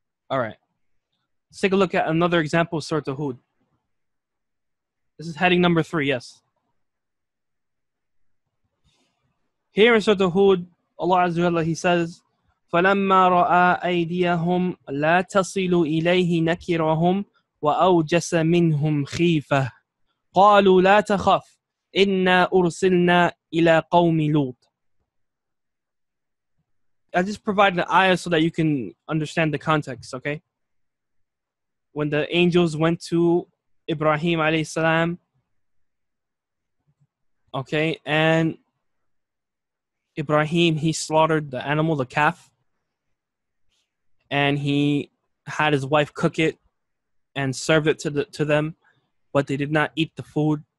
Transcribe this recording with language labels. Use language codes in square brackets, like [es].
[en] All right. Let's take a look at another example of Surah Hud. This is heading number three, yes. Here in Surah Hud, Allah Azza wa Jalla, he says, [ar] فَلَمَّا رَآ أَيْدِيَهُمْ لَا تَصِلُ إِلَيْهِ نَكِرَهُمْ وَأَوْجَسَ مِنْهُمْ خِيفَةٌ قَالُوا لَا تَخَفْ إِنَّا أُرْسِلْنَا إِلَى قَوْمِ لُوطٍ. [en] I just provide the ayah so that you can understand the context, okay? When the angels went to Ibrahim alayhi salam, okay, and Ibrahim, he slaughtered the animal, the calf, and he had his wife cook it and served it to them, but they did not eat the food.